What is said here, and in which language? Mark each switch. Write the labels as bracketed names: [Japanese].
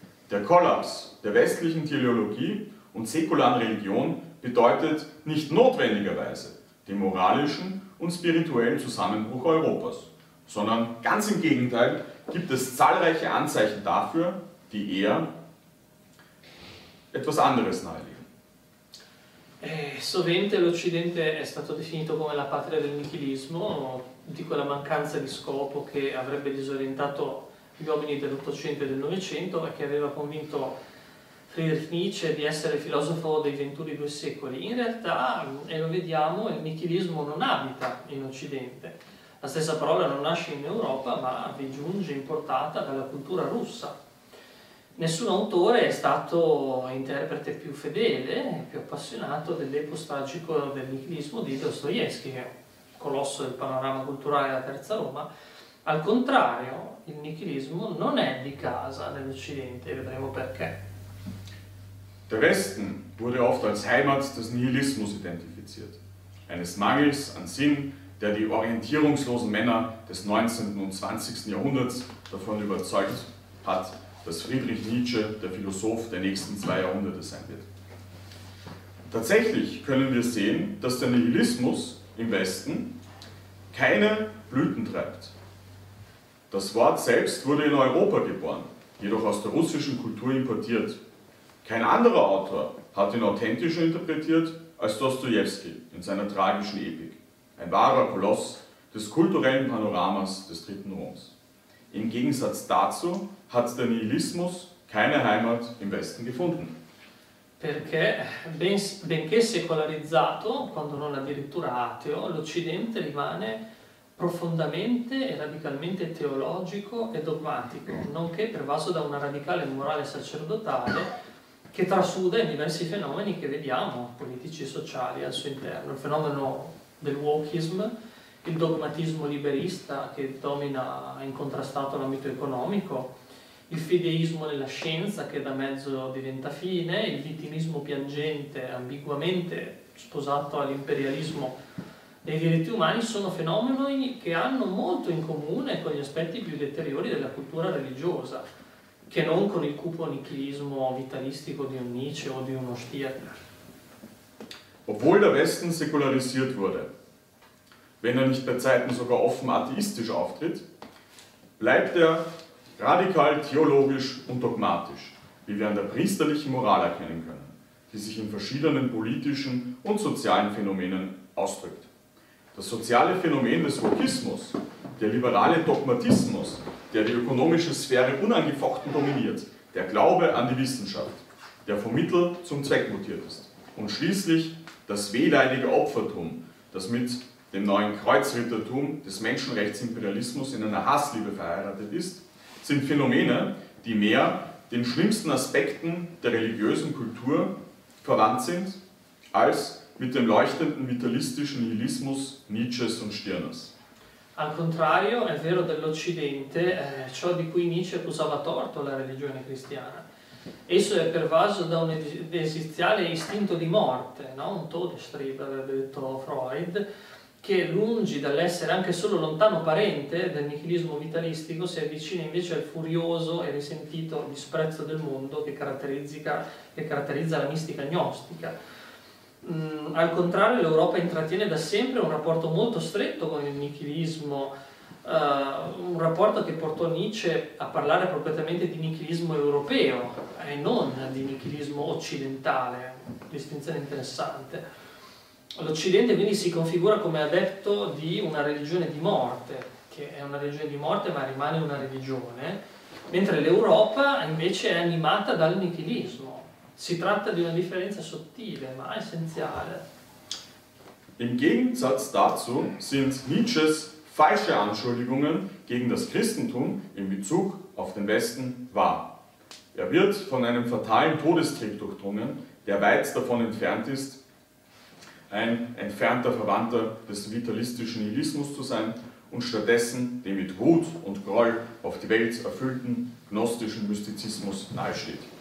[German] Der Kollaps der westlichen Theologie und säkularen Religion bedeutet nicht notwendigerweise den moralischen und spirituellen Zusammenbruch Europas, sondern ganz im Gegenteil gibt es zahlreiche Anzeichen dafür, die eher etwas anderes nahelegen. [Italian] Sovente l'Occidente è stato definito come la patria del nichilismo, di quella mancanza di scopo che avrebbe disorientato gli uomini dell'Ottocento e del Novecento e che aveva convinto Friedrich Nietzsche di essere filosofo dei 21 due secoli. In realtà, e lo vediamo, il nichilismo non abita in Occidente. La stessa parola non nasce in Europa, ma vi giunge importata dalla cultura russa. Nessun autore è stato interprete più fedele, più appassionato dell'epos tragico del nichilismo di Dostoevskij, che è un colosso del panorama culturale della Terza Roma. Al contrario, il nichilismo non è di casa nell'Occidente, vedremo perché. [German] Der Westen wurde oft als Heimat des Nihilismus identifiziert, eines Mangels an Sinn, der die orientierungslosen Männer des 19. und 20. Jahrhunderts davon überzeugt hat, dass Friedrich Nietzsche der Philosoph der nächsten zwei Jahrhunderte sein wird. Tatsächlich können wir sehen, dass der Nihilismus im Westen keine Blüten treibt. Das Wort selbst wurde in Europa geboren, jedoch aus der russischen Kultur importiert. Kein anderer Autor hat ihn authentischer interpretiert als Dostoevsky in seiner tragischen Epik. Ein wahrer Koloss des kulturellen Panoramas des Dritten Roms. Im Gegensatz dazu hat der Nihilismus keine Heimat im Westen gefunden. [Italian] Perché, benché secolarizzato, quando non addirittura ateo, l'Occidente rimane profondamente e radicalmente teologico e dogmatico, nonché pervaso da una radicale morale sacerdotale che trasuda i diversi fenomeni che vediamo, politici e sociali, al suo interno. Il fenomeno del wokeism, il dogmatismo liberista che domina incontrastato l'ambito economico, il fideismo nella scienza che da mezzo diventa fine, il vittimismo piangente, ambiguamente sposato all'imperialismo dei diritti umani, sono fenomeni che hanno molto in comune con gli aspetti più deteriori della cultura religiosa, che non con il cupo nichilismo vitalistico di un Nietzsche o di uno Stirner. [German] Obwohl der Westen säkularisiert wurde, wenn nicht bei Zeiten sogar offen atheistisch auftritt, bleibt radikal theologisch und dogmatisch, wie wir an der priesterlichen Moral erkennen können, die sich in verschiedenen politischen und sozialen Phänomenen ausdrückt. Das soziale Phänomen des Wokismus, der liberale Dogmatismus, der die ökonomische Sphäre unangefochten dominiert, der Glaube an die Wissenschaft, der vom Mittel zum Zweck mutiert ist, und schließlich das wehleidige Opfertum, das mit dem neuen Kreuzrittertum des Menschenrechtsimperialismus in einer Hassliebe verheiratet ist, sind Phänomene, die mehr den schlimmsten Aspekten der religiösen Kultur verwandt sind, als mit dem leuchtenden vitalistischen Nihilismus Nietzsches und Stirners. [Italian] Al contrario, è vero dell'Occidente ciò di cui Nietzsche accusava torto la religione cristiana. Esso è pervaso da un esiziale istinto di morte, no? Un Todestrieb, avrebbe detto Freud, che lungi dall'essere anche solo lontano parente del nichilismo vitalistico, si avvicina invece al furioso e risentito disprezzo del mondo che caratterizza la mistica gnostica. Al contrario, l'Europa intrattiene da sempre un rapporto molto stretto con il nichilismo, un rapporto che portò Nietzsche a parlare appropriatamente di nichilismo europeo e non di nichilismo occidentale, distinzione interessante. L'Occidente quindi si configura, come ha detto, di una religione di morte, che è una religione di morte ma rimane una religione, mentre l'Europa invece è animata dal nichilismo. Si tratta di una differenza sottile, ma essenziale. [German] Im Gegensatz dazu sind Nietzsches falsche Anschuldigungen gegen das Christentum in Bezug auf den Westen wahr. Er wird von einem fatalen Todestrieb durchdrungen, der weit davon entfernt ist, ein entfernter Verwandter des vitalistischen Nihilismus zu sein und stattdessen dem mit Wut und Groll auf die Welt erfüllten gnostischen Mystizismus nahesteht.